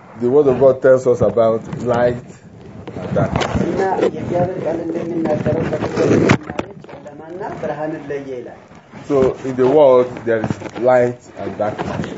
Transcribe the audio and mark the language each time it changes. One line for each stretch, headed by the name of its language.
English: the word of God tells us about light and darkness.
Amharic: እና የእግዚአብሔር ቃል እንደሚናገረው ጨለማና ብርሃን ለየ ይላል።
English: So in the world there is light and darkness.